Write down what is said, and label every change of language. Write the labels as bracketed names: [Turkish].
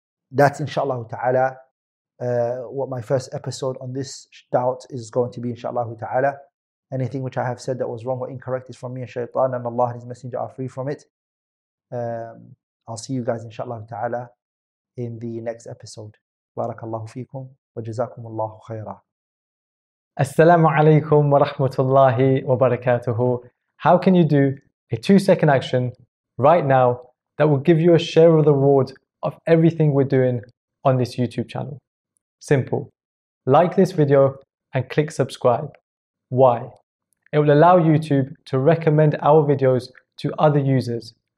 [English] That's inshallah ta'ala what my first episode on this doubt is going to be, inshallah ta'ala. Anything which I have said that was wrong or incorrect is from me and shaytan, and Allah and His Messenger are free from it. I'll see you guys inshallah ta'ala in the next episode. [Arabic] بارك الله فيكم وجزاكم الله خيرا. السلام عليكم ورحمة الله وبركاته. [English] How can you do a 2-second action right now that will give you a share of the reward of everything we're doing on this YouTube channel? Simple. Like this video and click subscribe. Why? It will allow YouTube to recommend our videos to other users.